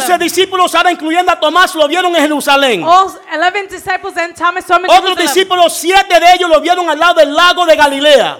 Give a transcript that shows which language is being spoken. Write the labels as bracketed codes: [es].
[es] 11 discípulos ahora incluyendo a Tomás lo vieron en Jerusalén. [en] All 11 disciples and Thomas saw him in Jerusalem. [es] Otros discípulos, 7 de ellos lo vieron al lado del lago de Galilea.